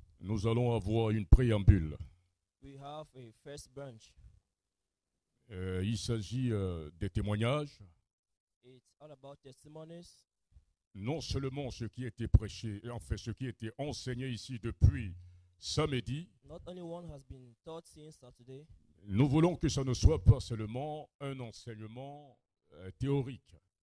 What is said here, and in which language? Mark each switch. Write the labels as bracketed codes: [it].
[fr] nous allons avoir une préambule. [en] We have a first branch. [fr] Il s'agit des témoignages. [en] It's all about testimonies. [fr] Non seulement ce qui a été prêché, en fait ce qui a été enseigné ici depuis samedi. [en] Not only one has been taught since Saturday. [fr] Nous voulons que ça ne soit pas seulement un enseignement théorique.